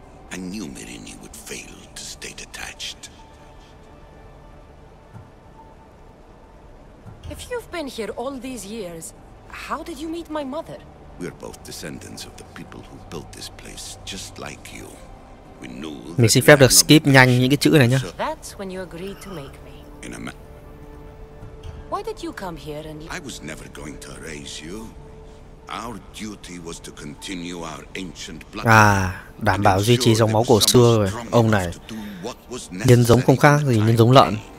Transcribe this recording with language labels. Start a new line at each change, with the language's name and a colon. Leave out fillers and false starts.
English: I knew Mirini would fail to stay detached. If you've been here all these years, how did you meet my mother? We're both descendants of the people who built this place, just like you.
Vietnamese: Mình xin phép được skip nhanh những cái chữ này nhá.
English: That's when you agreed to make me. Why did you come here and I was never going to raise you. Our duty was to continue our ancient blood.
Vietnamese: À, đảm bảo duy trì dòng máu cổ xưa rồi. Ông này nhân giống không khác gì nhân giống lợn.